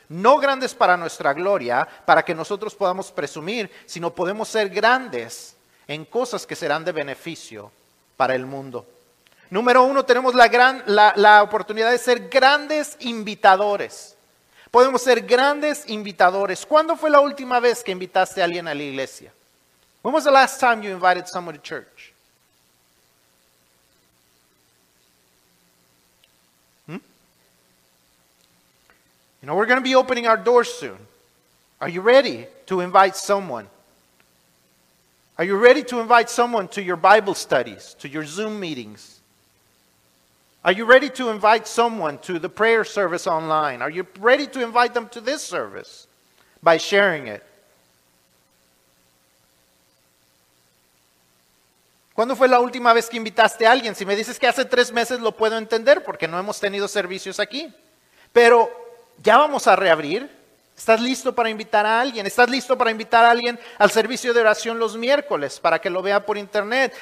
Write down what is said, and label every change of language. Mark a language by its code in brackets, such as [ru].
[es] No grandes para nuestra gloria, para que nosotros podamos presumir, sino podemos ser grandes en cosas que serán de beneficio para el mundo. Número uno, tenemos la oportunidad de ser grandes invitadores. Podemos ser grandes invitadores. ¿Cuándo fue la última vez que invitaste a alguien a la iglesia? [en] When was the last time you invited someone to church? You know, we're going to be opening our doors soon. Are you ready to invite someone? Are you ready to invite someone to your Bible studies, to your Zoom meetings? Are you ready to invite someone to the prayer service online? Are you ready to invite them to this service by sharing it? [es] ¿Cuándo fue la última vez que invitaste a alguien? Si me dices que hace 3 meses, lo puedo entender porque no hemos tenido servicios aquí. Pero ya vamos a reabrir. ¿Estás listo para invitar a alguien? ¿Estás listo para invitar a alguien al servicio de oración los miércoles para que lo vea por internet?